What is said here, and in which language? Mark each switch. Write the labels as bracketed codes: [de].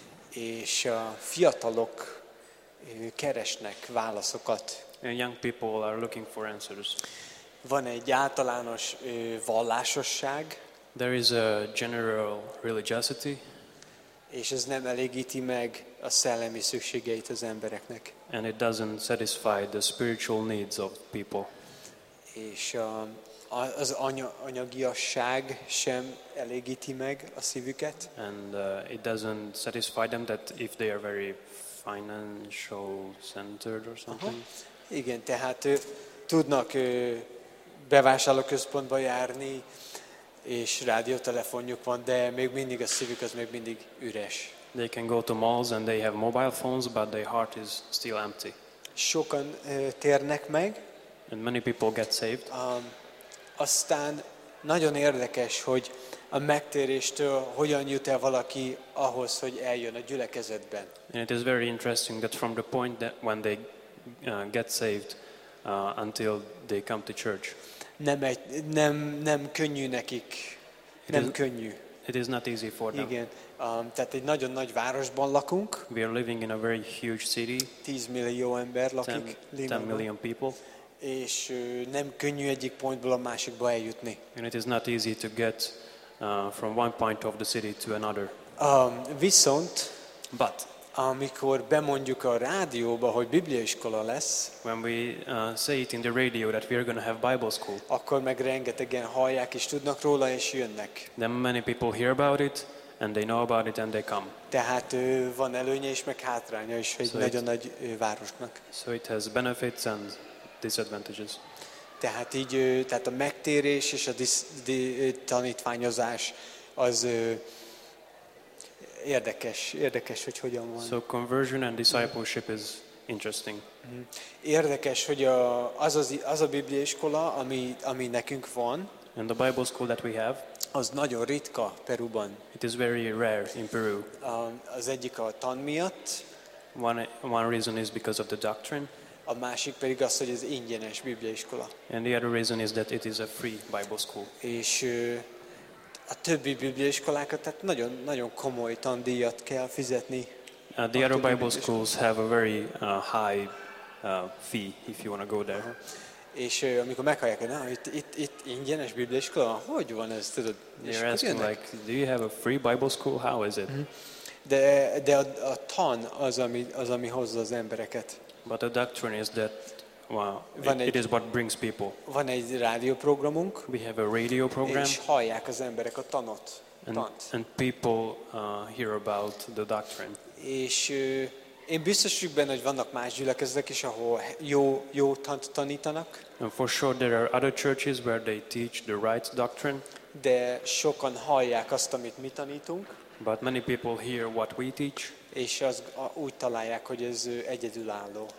[hu] És a fiatalok keresnek válaszokat. [en] And young people are looking for answers. [hu] Van egy általános vallásosság. [en] There is a general religiosity. [hu] És ez nem elégíti meg a szellemi szükségeit az embereknek. [en] And it doesn't satisfy the spiritual needs of people. [hu] És az anyagiasság sem elégíti meg a szívüket. [en] And it doesn't satisfy them that if they are very financial centered or something. [hu] Igen, tehát tudnak bevásárlóközpontba járni, és rádiótelefonjuk van, de még mindig a szívük az még mindig üres. [en] They can go to malls and they have mobile phones, but their heart is still empty. [hu] Sokan térnek meg. [en] And many people get saved. [hu] Aztán nagyon érdekes, hogy a megtéréstől hogyan jut el valaki ahhoz, hogy eljön a gyülekezetben. [en] And it is very interesting that from the point that when they get saved until they come to church. [hu] Nem könnyű nekik. [en] It is not easy for them. [hu] Igen. Tehát egy nagyon nagy városban lakunk. [en] We are living in a very huge city. [hu] 10 millió ember lakik [en] Limában. 10 million people. [hu] És nem könnyű egyik pontból a másikba eljutni. [en] And it is not easy to get from one point of the city to another. [hu] Viszont [en] but [hu] amikor bemondjuk a rádióba, hogy bibliaiskola lesz, [en] when we say it in the radio that we are going to have Bible school, [hu] akkor meg rengetegen hallják és tudnak róla és jönnek. [en] Then many people hear about it and they know about it and they come. [hu] Tehát van előnye és meg hátránya is egy nagyon nagy városnak. [en] So it has benefits and disadvantages. [hu] Tehát így, tehát a megtérés és a tanítványozás az érdekes, hogy hogyan van. [en] So conversion and discipleship is interesting. [hu] Érdekes, hogy az a bibliaiskola, ami nekünk van. [en] And the Bible school that we have, [hu] az nagyon ritka Peruban. [en] It is very rare in Peru. [hu] Az egyik a tan miatt. [en] One reason is because of the doctrine. [hu] A másik pedig az, hogy ez ingyenes bibliaiskola. [en] And the other reason is that it is a free Bible school. [hu] És a többi bibliaiskolákat, tehát nagyon nagyon komoly tandíjat kell fizetni. [en] The other Bible schools have a very high fee if you want to go there. [hu] És amikor meghallják, na, itt ingyenes bibliaiskola, hogy van ez, tudod? [en] They're asking like, do you have a free Bible school? How is it? [hu] De a tan az ami hozza az embereket. [en] But the doctrine is that, wow, it is what brings people. [hu] Van egy rádió programunk. [en] We have a radio program. [hu] És hallják az emberek a tanot. [en] And people hear about the doctrine. [hu] És én biztos vagyok benne, hogy vannak más gyülekezetek is, ahol jó tant tanítanak. [en] And for sure there are other churches where they teach the right doctrine. [hu] De sokan hallják azt, amit mi tanítunk. [en] But many people hear what we teach. [hu] És az úgy találják, hogy ez egyedülálló.